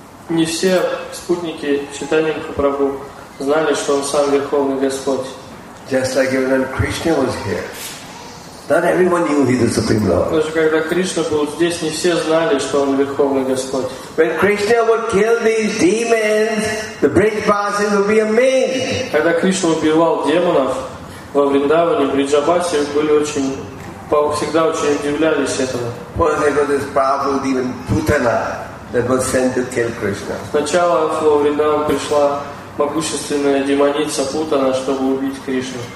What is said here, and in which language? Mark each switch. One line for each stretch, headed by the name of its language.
Russian: Не все спутники Чайтаньи Махапрабху знали, что он сам Верховный Господь.
English: Just like when Krishna was here, not everyone knew he was the Supreme Lord.
Russian: Даже когда Кришна был здесь, не все знали, что он Верховный Господь.
English: When Krishna would kill these demons, the Brijbasis would be amazed.
Russian: Когда Кришна убивал демонов во Вриндаване, Бриджабаси были очень, всегда очень удивлялись этому.
English: Well, they got this powerful demon, Putana, that was sent to kill Krishna.
Russian: Сначала в Вриндаван пришла могущественная демоница Путана, чтобы убить Кришну.